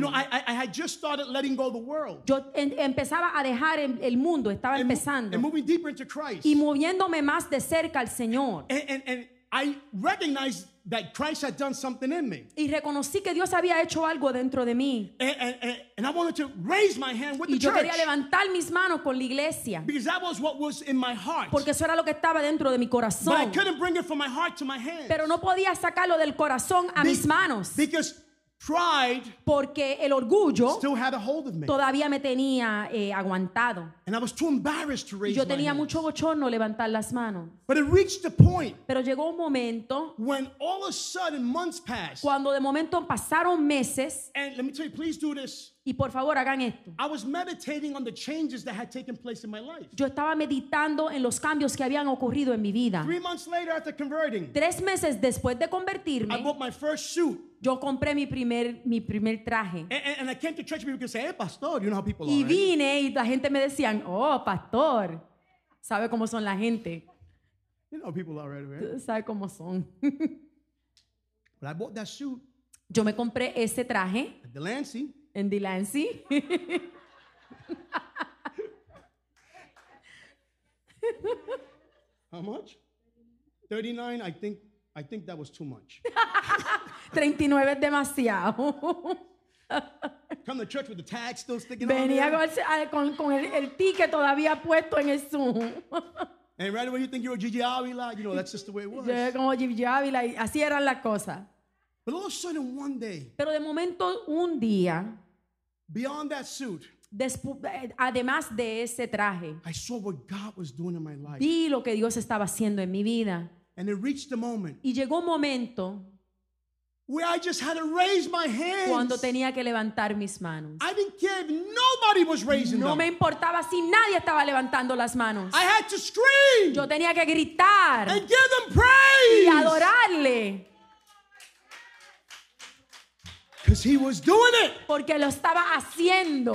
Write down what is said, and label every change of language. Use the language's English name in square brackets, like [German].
[English] You know, I had just started letting go of the world. [Spanish] Yo empezaba a dejar el mundo, estaba empezando. [English] And moving deeper into Christ. [Spanish] Y moviéndome más de cerca al Señor. [English] And I recognized that Christ had done something in me. [Spanish] Y reconocí que Dios había hecho algo dentro de mí. [English] And I wanted to raise my hand with [Spanish] y [English] the church. [Spanish] Y yo quería levantar mis manos con la iglesia. [English] Because that was what was in my heart. [Spanish] Porque eso era lo que estaba dentro de mi corazón. [English] But I couldn't bring it from my heart to my hands. [Spanish] Pero no podía sacarlo del corazón a mis manos. [English] Because pride, [Spanish] porque el orgullo, [English] still had a hold of me. [Spanish] Todavía me tenía aguantado. [English] And I was too embarrassed to raise my [Spanish] hands. Yo tenía mucho [English] hands. [Spanish] Bochorno levantar las manos. [English] But it reached a point. [Spanish] Pero llegó un momento. [English] When all of a sudden months passed. [Spanish] Cuando de momento pasaron meses. [English] And let me tell you, please do this. [Spanish] Y por favor hagan esto. [English] I was meditating on the changes that had taken place in my life. [Spanish] Yo estaba meditando en los cambios que habían ocurrido en mi vida. [English] 3 months later, after converting. [Spanish] 3 meses después de convertirme. [English] I bought my first suit. [Spanish] Yo compré mi primer traje. [English] And I came to church, people could say, "Hey, pastor, you know how people [Spanish] y [English] are." [Spanish] Y vine y la gente me decía, oh, pastor, sabe cómo son la gente. [English] You know people already, right? [Spanish] Sabe cómo son. [English] But I bought that suit. [Spanish] Yo me compré ese traje. [English] At Delancey. [Spanish] En Delancey. [English] How much? 39, I think that was too much. [Spanish] 39 es demasiado. [English] Come to church with the tag still sticking. [Spanish] Venía con el ticket todavía puesto en el Zoom. [English] And right away you think you're a Gigi Avila, you know, that's just the way it was. [Spanish] Yo como Gigi Avila, así eran las cosas. [English] But all of a sudden one day. [Spanish] Pero de momento un día. [English] Beyond that suit. [Spanish] Además de ese traje. [English] I saw what God was doing in my life. [Spanish] Vi lo que Dios estaba haciendo en mi vida. [English] And it reached a moment. [Spanish] Y llegó un momento. [English] where I just had to raise my hands. [Spanish] Cuando tenía que levantar mis manos. [English] I didn't care if nobody was raising [Spanish] them. No me importaba si nadie estaba levantando las manos. [English] I had to scream. [Spanish] Yo tenía que gritar. [English] And give them praise. [Spanish] Y adorarle. [English] Because he was doing it. [Spanish] Porque lo estaba haciendo.